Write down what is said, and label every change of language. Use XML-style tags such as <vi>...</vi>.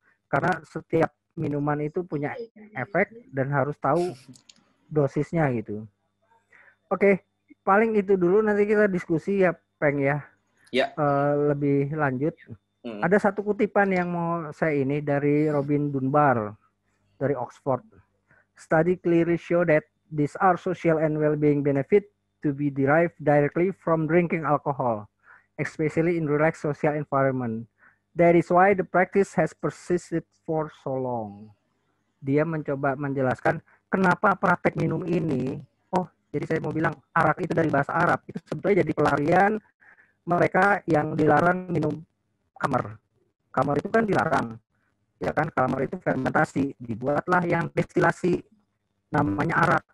<id>Karena setiap minuman itu punya efek dan harus tahu dosisnya gitu. Oke, paling itu dulu nanti kita diskusi ya Peng ya, ya. Lebih lanjut, ada satu kutipan yang mau saya ini dari Robin Dunbar dari Oxford.</id> <en>Study clearly show that these are social and well-being benefit to be derived directly from drinking alcohol, especially in relaxed social environment. That is why the practice has persisted for so long.</en> <id>Dia mencoba menjelaskan kenapa praktek minum ini. Oh, jadi saya mau bilang arak itu dari bahasa Arab. Itu sebetulnya jadi pelarian mereka yang dilarang minum kamar. Kamar itu kan dilarang. Ya kan, kamar itu fermentasi. Dibuatlah yang destilasi namanya arak.</id>